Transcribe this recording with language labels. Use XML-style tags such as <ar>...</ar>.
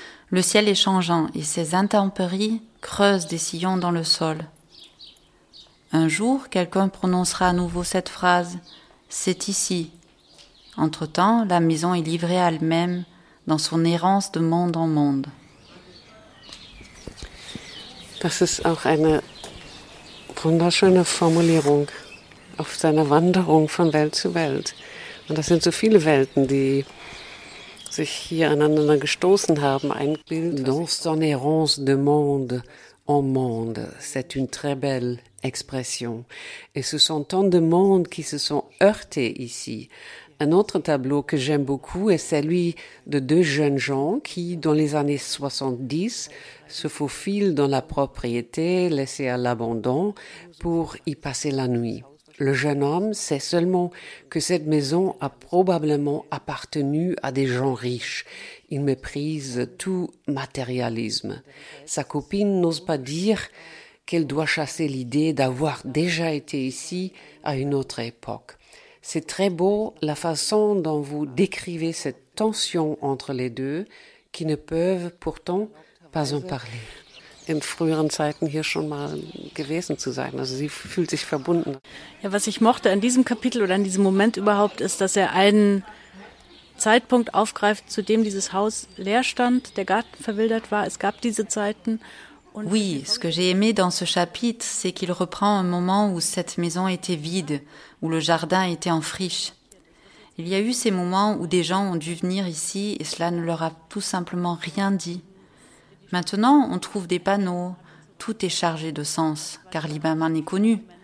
<fr>Le ciel est changeant et ses intempéries creusent des sillons dans le sol. Un jour, quelqu'un prononcera à nouveau cette phrase « C'est ici ». Entre-temps, la maison est livrée à elle-même dans son errance de monde en monde.</fr> <de>Das ist auch eine wunderschöne Formulierung auf seiner Wanderung von Welt zu Welt. Und das sind so viele Welten, die sich hier aneinander gestoßen haben. Ein Bild</de> <fr>dans son errance de monde en monde. C'est une très belle expression. Et ce sont tant de mondes qui se sont heurtés ici. Un autre tableau que j'aime beaucoup est celui de deux jeunes gens qui, dans les années 70, se faufilent dans la propriété laissée à l'abandon pour y passer la nuit. Le jeune homme sait seulement que cette maison a probablement appartenu à des gens riches. Il méprise tout matérialisme. Sa copine n'ose pas dire qu'elle doit chasser l'idée d'avoir déjà été ici à une autre époque. C'est très beau la façon dont vous décrivez cette tension entre les deux qui ne peuvent pourtant pas en parler.</fr> <de>In früheren Zeiten hier schon mal gewesen zu sein. Also sie fühlt sich verbunden. Ja, was ich mochte an diesem Kapitel oder an diesem Moment überhaupt ist, dass er einen Zeitpunkt aufgreift, zu dem dieses Haus leer stand, der Garten verwildert war. Es gab diese Zeiten.</de> <fr>Oui, ce que j'ai aimé dans ce chapitre, c'est qu'il reprend un moment où cette maison était vide, où le jardin était en friche. Il y a eu ces moments où des gens ont dû venir ici et cela ne leur a tout simplement rien dit. Maintenant, on trouve des panneaux, tout est chargé de sens, car Libanman est connu.</fr>